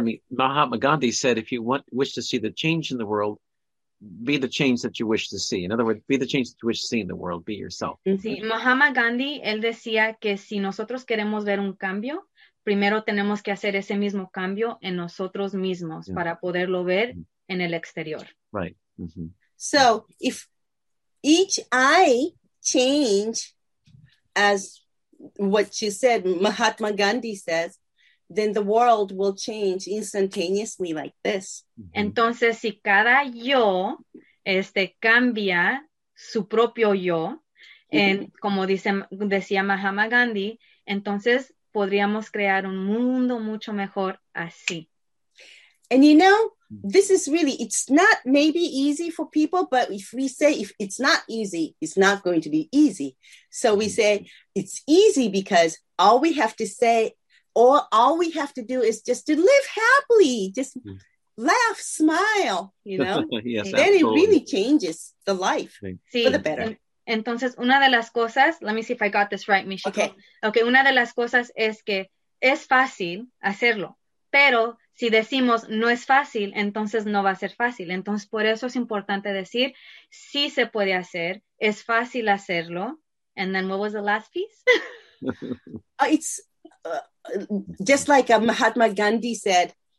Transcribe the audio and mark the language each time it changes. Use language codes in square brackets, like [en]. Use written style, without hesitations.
[en] Mahatma Gandhi said, if you wish to see the change in the world, be the change that you wish to see. In other words, be the change that you wish to see in the world. Be yourself. [es] Sí, Mahatma Gandhi, él decía que si nosotros queremos ver un cambio, primero tenemos que hacer ese mismo cambio en nosotros mismos para poderlo ver en el exterior. [en] Right. Mm-hmm. So if each I change, as what you said, Mahatma Gandhi says, then the world will change instantaneously like this. [es] Entonces, si cada yo cambia su propio yo, como decía Mahatma Gandhi, entonces podríamos crear un mundo mucho mejor así. [en] And you know, this is really, it's not maybe easy for people, but if we say if it's not easy, it's not going to be easy. So we say it's easy because all we have to say, or all we have to do is just to live happily, just laugh, smile, you know, yes, then absolutely. It really changes the life [es] sí. [en] for the better. [es] Entonces, una de las cosas, [en] let me see if I got this right, Michiko. Okay. [es] Okay, una de las cosas es que es fácil hacerlo, pero si decimos no es fácil, entonces no va a ser fácil. Entonces, por eso es importante decir, sí se puede hacer, es fácil hacerlo. [en] And then, what was the last piece? It's just like a Mahatma Gandhi said,